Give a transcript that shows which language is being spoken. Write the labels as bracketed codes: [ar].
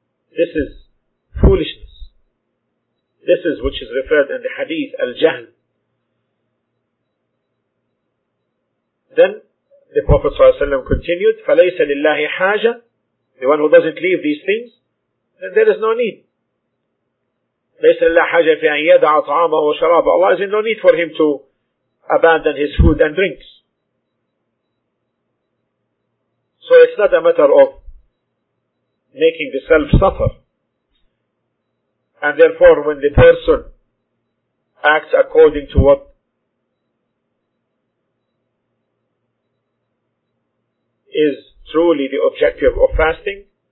[en] This is foolishness. This is which is referred in the hadith, al-jahl. Then the Prophet ﷺ continued, [ar] فَلَيْسَ لِلَّهِ حَاجَةٌ [en] The one who doesn't leave these things, then there is no need. [ar] ليس لا حاجة في أن يدع طعامه وشرابه. [en] Allah has no need for him to abandon his food and drinks. So it's not a matter of making the self suffer. And therefore, when the person acts according to what is truly the objective of fasting,